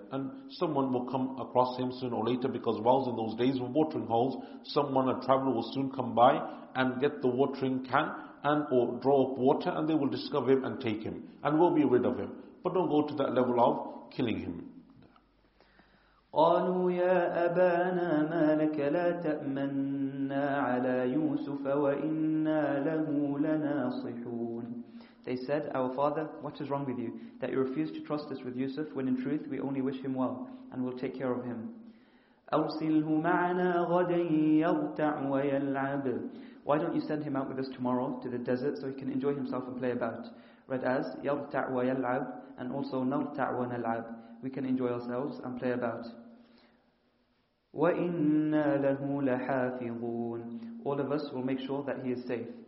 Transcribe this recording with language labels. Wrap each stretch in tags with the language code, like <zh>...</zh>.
<en>And someone will come across him soon or later, because wells in those days were watering holes. Someone, a traveler, will soon come by and get the watering can and or draw up water, and they will discover him and take him. And we'll be rid of him. But don't go to that level of killing him.</en> <ar>قالوا يا أبانا ما لك لا تأمنا على يوسف وإنا له لناصحون.</ar> <en>They said, our father, what is wrong with you that you refuse to trust us with Yusuf, when in truth we only wish him well and we'll take care of him.</en> <ar>أرسله معنا غدا يرتع ويلعب.</ar> <en>Why don't you send him out with us tomorrow to the desert so he can enjoy himself and play about? Read as</en> <ar>يرتع ويلعب</ar> <en>and also</en> <ar>نرتع ونلعب.</ar> <en>We can enjoy ourselves and play about.</en> <ar>وَإِنَّا لَهُ لَحَافِظُونَ.</ar> <en>All of us will make sure that he is safe.</en>